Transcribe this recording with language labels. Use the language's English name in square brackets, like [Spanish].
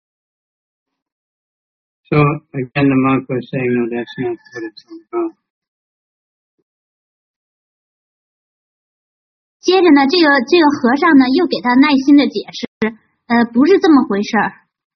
[Chinese] 这个人就心里想，因为我上的香数量最多，所以我得到的好处一定也是相应的最多。 [English] So again, the monk was saying, "No, that's not what it's about." [Chinese] 接着呢，这个和尚呢又给他耐心的解释，不是这么回事儿。